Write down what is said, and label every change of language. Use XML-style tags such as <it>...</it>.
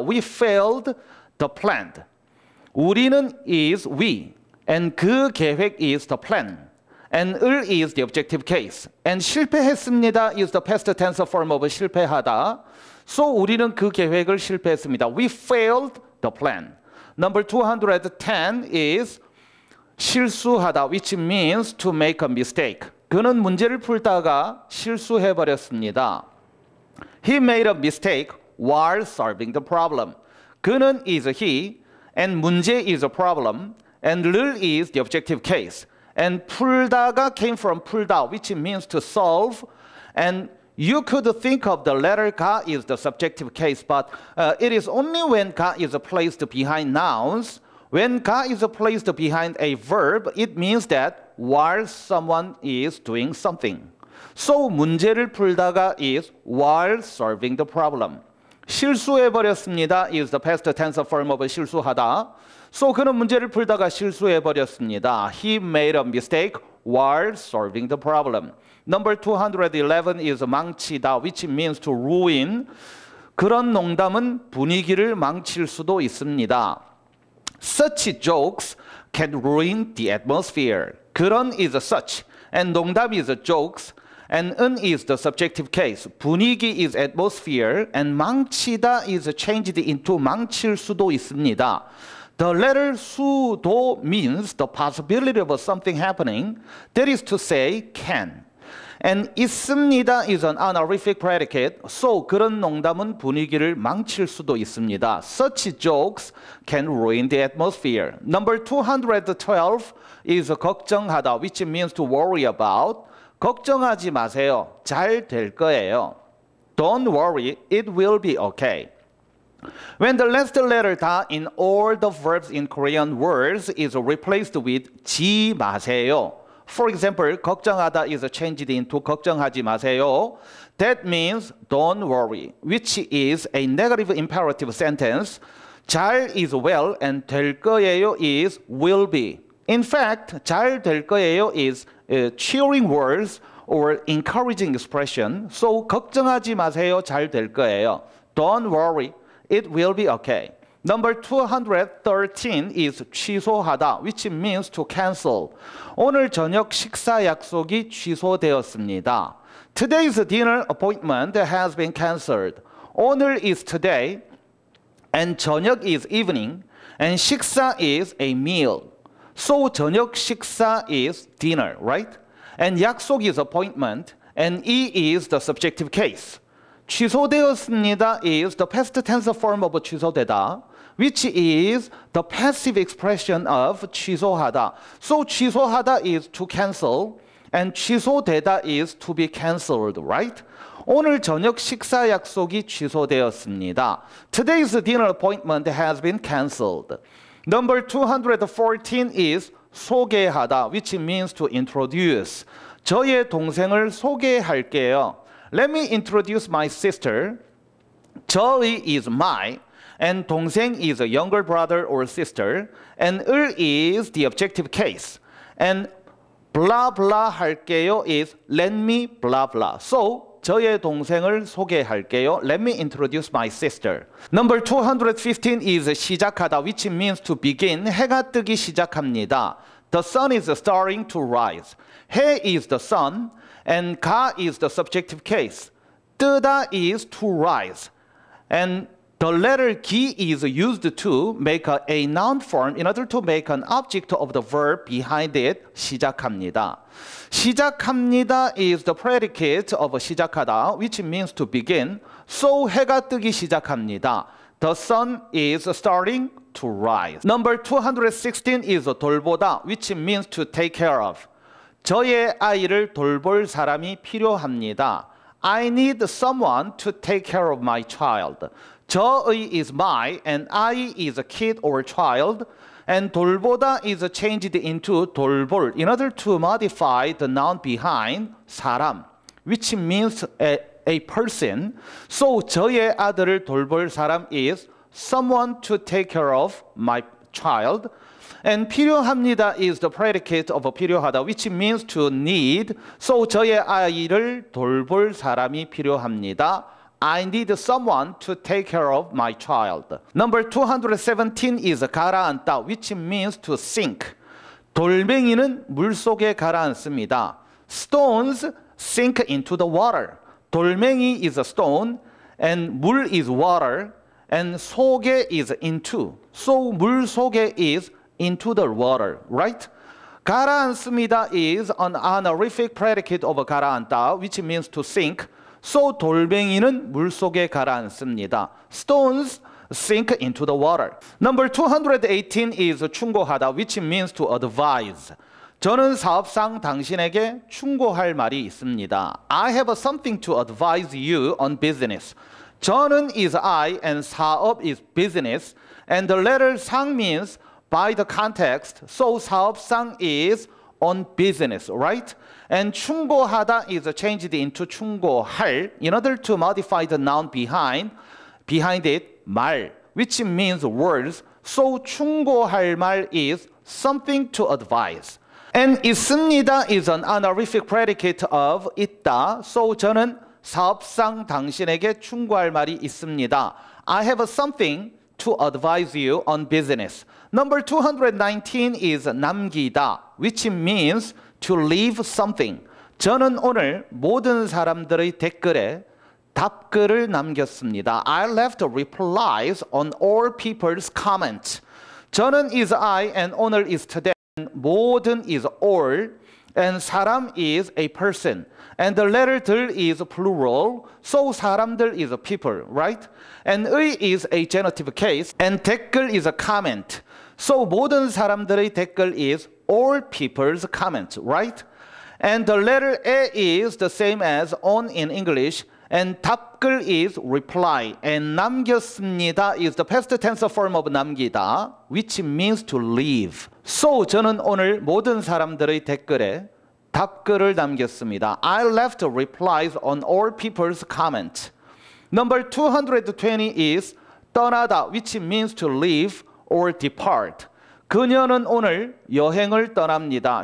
<en>We failed the plan. 우리는 is we, and</en> <ko>그 계획</ko> <en>is the plan. And 을 is the objective case. And 실패했습니다 is the past tense form of 실패하다.</en> <ko>So 우리는 그 계획을 실패했습니다.</ko> <en>We failed the plan. Number 210 is 실수하다, which means to make a mistake.</en> <ko>그는 문제를 풀다가 실수해버렸습니다.</ko> <en>He made a mistake while solving the problem. 그는 is he, and 문제 is a problem, and 를 is the objective case. And 풀다가 came from 풀다, which means to solve. And you could think of the letter 가 is the subjective case, but it is only when 가 is placed behind nouns. When 가 is placed behind a verb, it means that while someone is doing something. So</en> <ko>문제를 풀다가</ko> <en>is while solving the problem. 실수해버렸습니다 is the past tense form of 실수하다.</en> <ko>So 그는 문제를 풀다가 실수해버렸습니다.</ko> <en>He made a mistake while solving the problem. Number 211 is 망치다, which means to ruin.</en> <ko>그런 농담은 분위기를 망칠 수도 있습니다.</ko> <en>Such jokes can ruin the atmosphere. 그런 is a such, and 농담 is a jokes, and 은 is the subjective case. 분위기 is atmosphere, and 망치다 is changed into</en> <ko>망칠 수도 있습니다.</ko> <en>The letter 수도 means the possibility of something happening, that is to say can. And 있습니다 is an honorific predicate.</en> <ko>So 그런 농담은 분위기를 망칠 수도 있습니다.</ko> <en>Such jokes can ruin the atmosphere. Number 212 is 걱정하다, which means to worry about.</en> <ko>걱정하지 마세요. 잘 될 거예요.</ko> <en>Don't worry. It will be okay. When the last letter 다 in all the verbs in Korean words is replaced with</en> <ko>지 마세요.</ko> <en>For example, 걱정하다 is changed into</en> <ko>걱정하지 마세요.</ko> <en>That means don't worry, which is a negative imperative sentence. 잘 is well, and</en> <ko>될 거예요</ko> <en>is will be. In fact,</en> <ko>잘 될 거예요</ko> <en>is cheering words or encouraging expression.</en> <ko>So 걱정하지 마세요, 잘 될 거예요.</ko> <en>Don't worry, it will be okay. Number 213 is 취소하다, which means to cancel.</en> <ko>오늘 저녁 식사 약속이 취소되었습니다.</ko> <en>Today's dinner appointment has been cancelled. 오늘 is today, and 저녁 is evening, and 식사 is a meal. So</en> <ko>저녁 식사</ko> <en>is dinner, right? And 약속 is appointment. And 이 is the subjective case. 취소되었습니다 is the past tense form of 취소되다, which is the passive expression of 취소하다. So 취소하다 is to cancel, and 취소되다 is to be canceled, right?</en> <ko>오늘 저녁 식사 약속이 취소되었습니다.</ko> <en>Today's dinner appointment has been canceled. Number 214 is 소개하다, which means to introduce.</en> <ko>저의 동생을 소개할게요.</ko> <en>Let me introduce my sister. 저의 is my, and 동생 is a younger brother or sister, and 을 is the objective case. And blah blah 할게요 is let me blah blah.</en> <ko>So 저의 동생을 소개할게요.</ko> <en>Let me introduce my sister. Number 215 is 시작하다, which means to begin.</en> <ko>해가 뜨기 시작합니다.</ko> <en>The sun is starting to rise. 해 is the sun, and 가 is the subjective case. 뜨다 is to rise. And the letter 기 is used to make a noun form in order to make an object of the verb behind it, 시작합니다. 시작합니다 is the predicate of 시작하다, which means to begin.</en> <ko>So 해가 뜨기 시작합니다.</ko> <en>The sun is starting to rise. Number 216 is 돌보다, which means to take care of.</en> <ko>저의 아이를 돌볼 사람이 필요합니다.</ko> <en>I need someone to take care of my child. 저의 is my, and I is a kid or child. And 돌보다 is changed into 돌볼 in order to modify the noun behind 사람, which means a person. So</en> <ko>저의 아들을 돌볼 사람</ko> <en>is someone to take care of my child. And 필요합니다 is the predicate of 필요하다, which means to need.</en> <ko>So 저의 아이를 돌볼 사람이 필요합니다.</ko> <en>I need someone to take care of my child. Number 217 is 가라앉다, which means to sink.</en> <ko>돌멩이는 물속에 가라앉습니다.</ko> <en>Stones sink into the water. 돌멩이 is a stone, and 물 is water, and 속에 is into. So</en> <ko>물 속에</ko> <en>is into the water, right? 가라앉습니다 is an honorific predicate of 가라앉다, which means to sink.</en> <ko>So 돌멩이는 물속에 가라앉습니다.</ko> <en>Stones sink into the water. Number 218 is 충고하다, which means to advise.</en> <ko>저는 사업상 당신에게 충고할 말이 있습니다.</ko> <en>I have something to advise you on business. 저는 is I, and 사업 is business. And the letter 상 means by the context. So 사업상 is on business, right? And 충고하다 is changed into 충고할 in order to modify the noun behind it, 말, which means words. So</en> <ko>충고할 말</ko> <en>is something to advise. And 있습니다 is an honorific predicate of 있다.</en> <ko>So 저는 사업상 당신에게 충고할 말이 있습니다.</ko> <en>I have something to advise you on business. Number 219 is 남기다, which means to leave something.</en> <ko>저는 오늘 모든 사람들의 댓글에 답글을 남겼습니다.</ko> <en>I left replies on all people's comments. 저는 is I, and 오늘 is today. 모든 is all, and 사람 is a person. And the letter 들 is plural, so 사람들 is people, right? And 의 is a genitive case, and 댓글 is a comment. So</en> <ko>모든 사람들의 댓글</ko> <en>is all people's comments, right? And the letter A is the same as on in English, and 답글 is reply, and 남겼습니다 is the past tense form of 남기다, which means to leave.</en> <ko>So 저는 오늘 모든 사람들의 댓글에 답글을 남겼습니다.</ko> <en>I left replies on all people's comments. Number 220 is 떠나다, which means to leave or depart.</en> <ko>그녀는 오늘 여행을 떠납니다.</ko>